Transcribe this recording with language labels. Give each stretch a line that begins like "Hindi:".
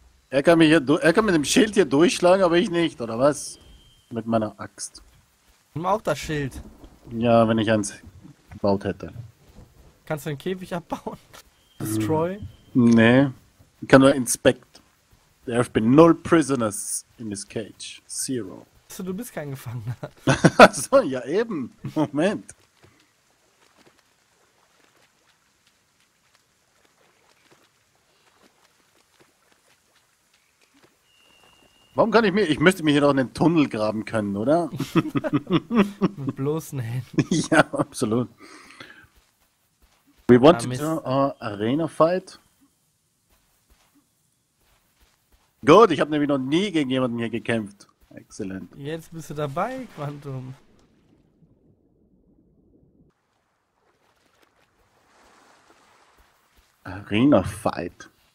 German: Er kann mit dem Schild hier durchschlagen, aber ich nicht, oder was? Mit meiner Axt. Nimm auch das Schild. Ja, wenn ich eins gebaut hätte. Kannst du einen Käfig abbauen?
English: Destroy?
German: Nee. Ich kann nur inspect.
English: There have been no prisoners in this cage. Zero.
German: Achso, du bist kein Gefangener. Achso, ja eben. Moment. Warum kann ich mir... Ich müsste mir hier doch einen Tunnel graben können, oder? Mit bloßen Händen. Ja, absolut.
English: We want to do our arena fight.
German: Gut, ich habe nämlich noch nie gegen jemanden hier gekämpft.
English: Excellent.
German: Jetzt bist du dabei, Quantum.
English: Arena fight.